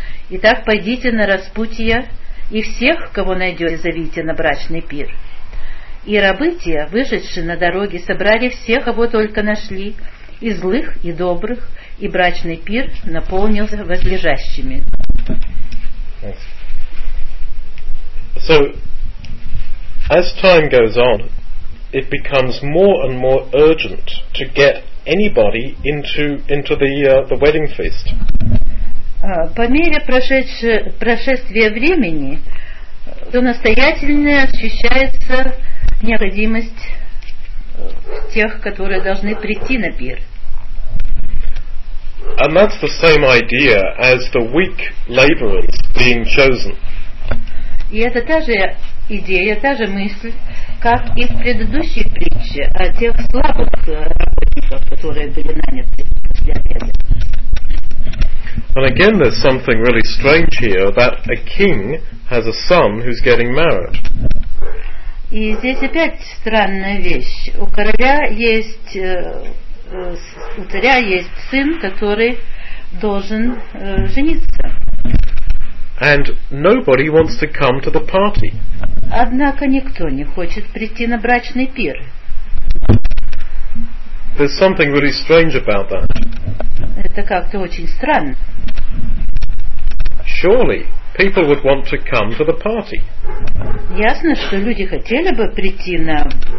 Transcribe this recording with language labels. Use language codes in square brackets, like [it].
[ru] Итак, пойдите на распутье и всех, кого найдете, зовите на брачный пир». И рабы те, вышедши на дороге, собрали всех, кого только нашли, и злых, и добрых, и брачный пир наполнился возлежащими. [en] So, as time goes on, it becomes more and more urgent to get anybody into the wedding feast. [ru] По мере прошествия времени, то настоятельнее ощущается необходимость тех, которые должны прийти на пир. [en] And that's the same idea as the weak laborers being chosen. [ru] И это та же идея, та же мысль, как и в предыдущей притче о тех слабых работниках, которые были наняты после обеда. [en] And again, there's something really strange here that a king has a son who's getting married. [ru] И здесь опять странная вещь. У короля есть, у царя есть сын, который должен жениться. [en] And nobody wants to come to the party. [ru] Однако никто не хочет прийти на брачный пир. [en] There's something really strange about that. [ru] Это как-то очень странно. [en] surely people would want to come to the party. [ru] Ясно, что люди хотели бы прийти на.